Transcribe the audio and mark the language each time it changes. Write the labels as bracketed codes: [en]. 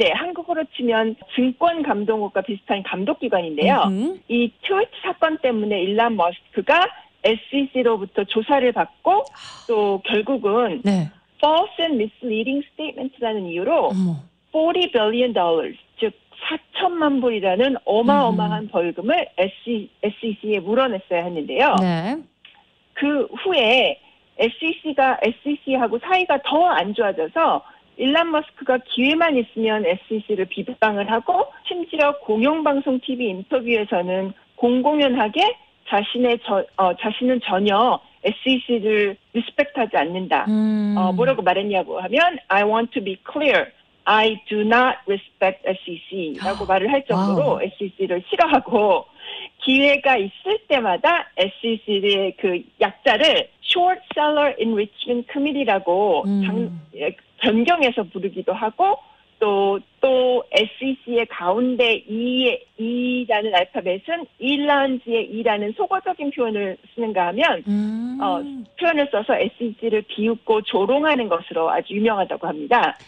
[ko] 한국어로 치면 증권감독원과 비슷한 감독기관인데요. 이 트위트 사건 때문에 일란 머스크가 SEC로부터 조사를 받고 또 결국은 네. [en] False and Misleading Statement [ko] 라는 이유로 어머. [en] 40 billion dollars, [ko] 즉 4천만 불이라는 어마어마한 벌금을 SEC에 물어냈어야 했는데요. 네. 그 후에 SEC하고 사이가 더안 좋아져서 일란 머스크가 기회만 있으면 SEC를 비방을 하고 심지어 공영방송 TV 인터뷰에서는 공공연하게 자신은 전혀 SEC를 리스펙트하지 않는다. 뭐라고 말했냐고 하면 [en] I want to be clear. I do not respect SEC [ko] 라고 말을 할 와우. 정도로 SEC를 싫어하고 기회가 있을 때마다 SEC의 그 약자를 [en] Short Seller Enrichment Committee [ko] 라고 변경해서 부르기도 하고 또 SEC의 가운데 E라는 알파벳은 E라는지의 E라는 속어적인 표현을 쓰는가 하면 표현을 써서 SEC를 비웃고 조롱하는 것으로 아주 유명하다고 합니다.